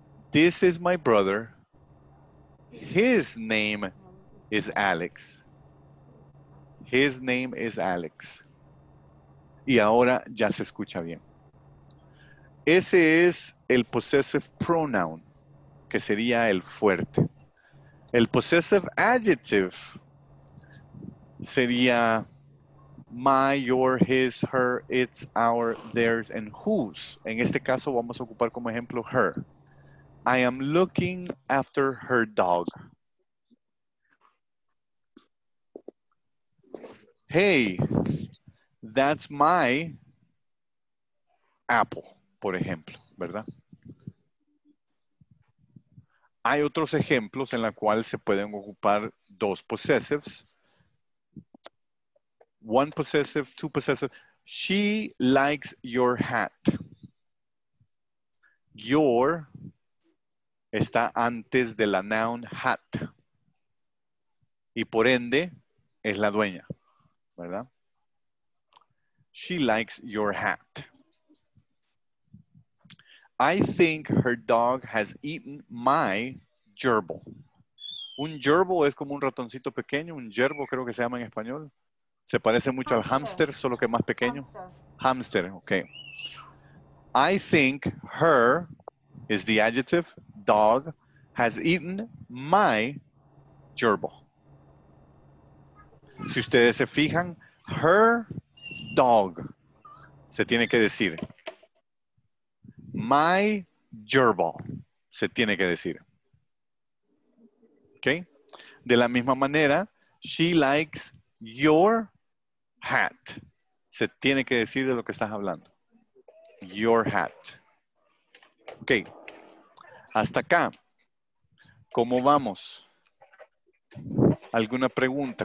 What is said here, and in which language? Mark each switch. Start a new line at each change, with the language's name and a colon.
English: This is my brother. His name is Alex. His name is Alex.
Spanish: Y ahora ya se escucha bien. Ese es el
English: possessive pronoun,
Spanish: que sería el fuerte.
English: El possessive adjective sería my, your, his, her, its, our, theirs, and whose.
Spanish: En este caso vamos a ocupar como ejemplo her.
English: I am looking after her dog. Hey, that's my apple.
Spanish: Por ejemplo, ¿verdad? Hay otros ejemplos en los cuales se pueden ocupar dos possessives.
English: One possessive, two possessives. She likes your hat.
Spanish: Your está antes de la noun hat. Y por ende, es la dueña, ¿verdad?
English: She likes your hat. I think her dog has eaten my gerbil.
Spanish: Un gerbil es como un ratoncito pequeño. Un gerbo creo que se llama en español. Se parece mucho al hamster, solo que más pequeño.
English: Hamster, okay. I think her, is the adjective, dog, has eaten my gerbil.
Spanish: Si ustedes se fijan,
English: her dog,
Spanish: se tiene que decir.
English: My gerbil,
Spanish: se tiene que decir. Okay. De la misma manera,
English: she likes your hat.
Spanish: Se tiene que decir de lo que estás hablando.
English: your hat.
Spanish: Ok. Hasta acá. ¿Cómo vamos? ¿Alguna pregunta?